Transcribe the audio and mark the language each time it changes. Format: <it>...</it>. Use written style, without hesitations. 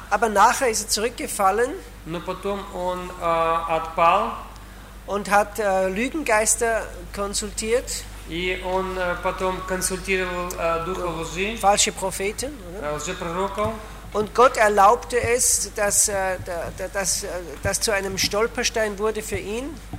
<de>aber nachher ist er zurückgefallen,</de> <ru>но потом он отпал,</ru> <de>und hat Lügengeister konsultiert,</de> <ru>и он потом консультировал духа лжи,</ru> <de>falsche Propheten,</de> <ru>лжепророков.</ru> <de>Und Gott erlaubte es, dass zu einem Stolperstein wurde für ihn.</de>